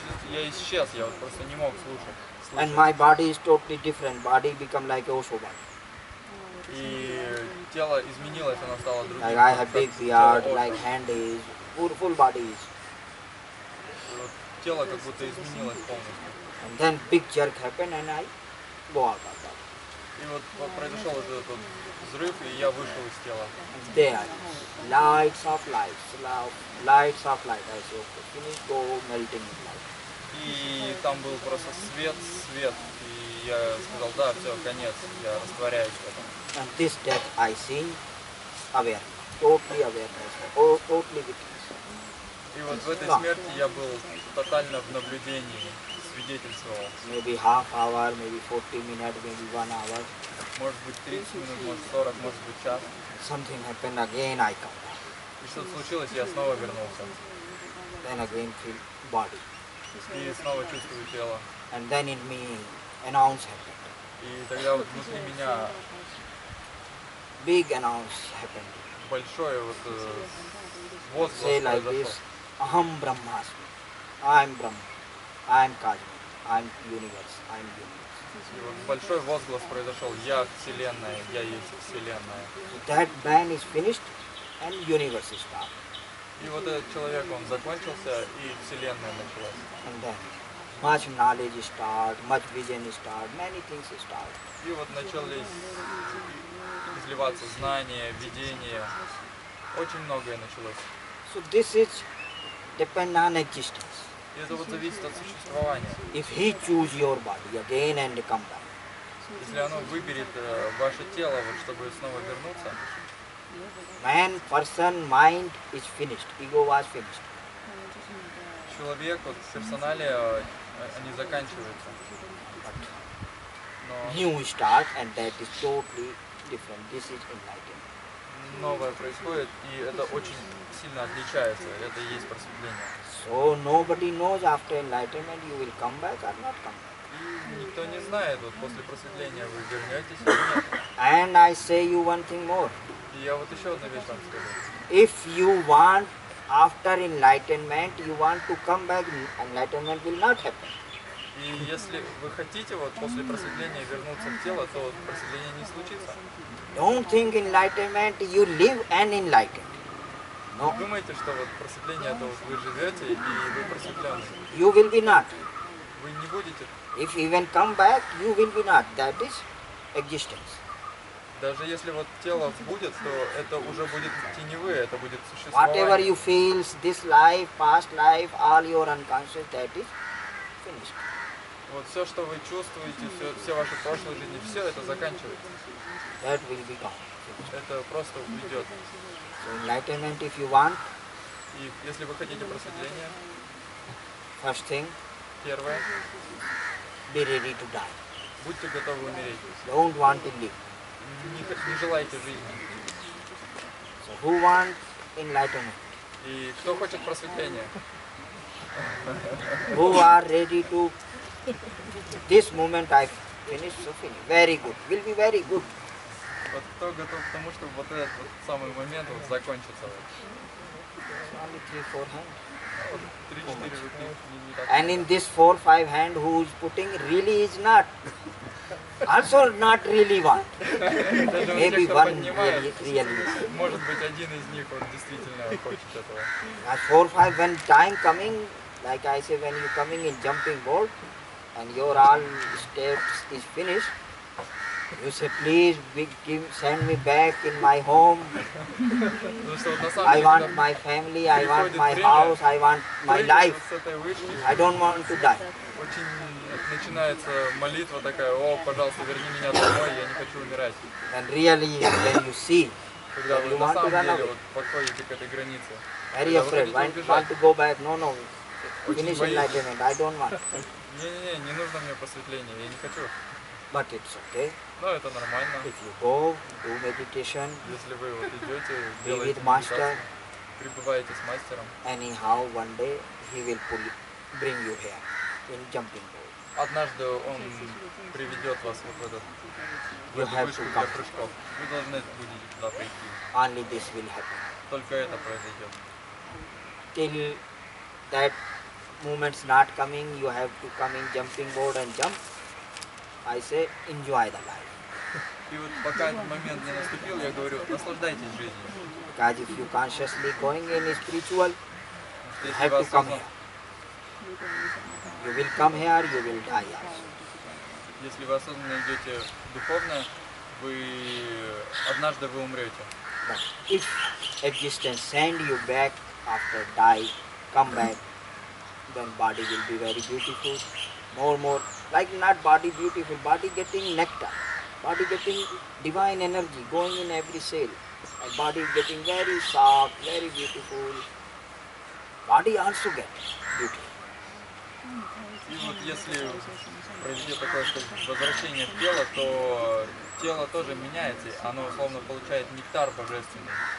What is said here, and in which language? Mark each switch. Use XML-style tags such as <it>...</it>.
<ru>Я исчез, я вот просто не мог слушать.</ru> <en>And my body is totally different. Body become like Osho body.</en> <ru>И тело изменилось, оно стало другим.</ru> <en>Like I have big beard, like hand is, full body is.</en> <ru>Тело как будто изменилось полностью.</ru> <en>And then big jerk happened and I go out of that.</en> <ru>И вот произошел вот этот взрыв, и я вышел из тела.</ru> <en>There. Lights of lights, lights of light, I say, okay, finish, go, melting in light.</en> <ru>И там был просто свет, свет, и я сказал, да, все, конец, я растворяюсь в этом.</ru> <en>And this death I seen, awareness, totally awareness, totally witness.</en> <ru>И вот в этой смерти я был тотально в наблюдении, свидетельствовал.</ru> <en>Maybe half hour, maybe 40 minutes, maybe 1 hour.</en> <ru>Может быть 30 минут, может 40, может быть час.</ru> <en>Something happened again, I come back.</en> <ru>И что-то случилось, я снова вернулся.</ru> <en>Then again feel body.</en> <ru>И снова чувствую тело.</ru> <en>And then in me announce happened.</en> <ru>И тогда вот внутри меня</ru> <en>big announce happened.</en> <ru>Большое вот воздух</ru> <en>say like</en> <ru>произошло.</ru> <en>This,</en> <sa>aham brahmasmi.</sa> <en>I'm Brahma. I'm Kajma. I'm universe. I'm universe.</en> <ru>И вот большой возглас произошел. Я Вселенная, я есть Вселенная.</ru> <en>That band is finished and universe is start.</en> <ru>И вот этот человек, он закончился, и Вселенная началась.</ru> <en>And then much knowledge start, much vision start, many things start.</en> <ru>И вот начались изливаться знания, видения. Очень многое началось.</ru> <en>So this is depend on existence.</en> <ru>И это вот зависит от существования.</ru> <en>If he choose your body again and come back.</en> <ru>Если оно выберет ваше тело, вот, чтобы снова вернуться.</ru> <en>Man, person, mind is finished. Ego was finished.</en> <ru>Человек, вот, персоналия, они заканчиваются.</ru> <en>But new start and that is totally different. This is enlightenment.</en> <ru>Новое происходит, и это очень сильно отличается. Это и есть просветление.</ru> <en>So nobody knows after enlightenment you will come back or not come back.</en> <ru>Никто не знает, вот после просветления вы вернетесь или нет.</ru> <en>And I say you one thing more.</en> <ru>И я вот еще одну вещь вам скажу.</ru> <en>If you want after enlightenment you want to come back, enlightenment will not happen.</en> <ru>И если вы хотите вот после просветления вернуться в тело, то вот просветление не случится.</ru> <en>Don't think enlightenment, you live and enlightened.</en> <ru>Но вы думаете, что вот просветление это вот вы живете и вы просветленный?</ru> <en>You will be not.</en> <ru>Вы не будете.</ru> <en>If even come back, you will be not. That is existence.</en> <ru>Даже если вот тело будет, то это уже будет теневые, это будет существование.</ru> <en>Whatever you feel, this life, past life, all your unconscious, that is finished.</en> <ru>Вот все, что вы чувствуете, все ваши прошлые жизни, все это заканчивается.</ru> <en>That will be gone.</en> <ru>Это просто уйдет.</ru> <en>Enlightenment if you want.</en> <ru>И если вы хотите просветления.</ru> <en>First thing.</en> <ru>Первое.</ru> <en>Be ready to die.</en> <ru>Будьте готовы умереть.</ru> <en>Don't want to live.</en> <ru>Не желайте жизни.</ru> <en>So who want enlightenment?</en> <ru>И кто хочет просветления?</ru> <en>Who are ready to this moment I finish so finish. Very good. Will be very good.</en> <ru>Вот кто готов к тому, чтобы вот этот вот самый момент вот закончится? Вот.</ru> <en>Only 3-4 hands.</en> <ru>3-4 руки.</ru> <en>And in this 4-5 hand who is putting really is not. Also not really want. Maybe one really is.</en> <ru>Может быть один из них вот действительно хочет этого.</ru> <en>As 4-5 when time coming, Like I say, when you're coming in jumping board and your all steps is finished, you say, please send me back in my home. I want my family, I want my house, I want my life. I don't want to die.</en> <ru>Начинается молитва такая: о, пожалуйста, верни меня домой, я не хочу умирать.</ru> <en>And really, when you see,</en> <ru>когда вы на самом деле вот подходите к этой границе,</ru> <en>very afraid, want to go back, no, finish enlightenment, I don't want.</en> <ru>Не нужно мне просветление, я не хочу.</ru> <en>But it's okay.</en> <ru>Но это нормально.</ru> <en>If you go, do meditation.</en> <ru>Если вы вот идете, делаете медитацию, пребываете с мастером.</ru> <en>Anyhow, one day he will pull, bring you here in jumping.</en> <ru>Однажды он приведет вас вот в этот вышку для прыжков. Вы должны будете туда прийти.</ru> <en>Only this will happen.</en> <ru>Только это произойдет.</ru> <en>Till that moment's not coming, you have to come in jumping board and jump. I say, enjoy the life.</en> <ru>И вот пока этот момент не наступил, я говорю, наслаждайтесь жизнью.</ru> <en>Because if you consciously going in spiritual, you have to come here. You will come here, you will die also.</en> <ru>Если вы осознанно идете духовно, вы однажды вы умрете.</ru> <en>But if existence send you back after die, come back, then body will be very beautiful, more, like not body beautiful, body getting nectar, body getting divine energy going in every cell, and body getting very soft, very beautiful, body also get beautiful.</en> <ru>И вот если произойдет такое, что возвращение в тело, то тело тоже меняется, оно условно получает нектар божественный.</ru>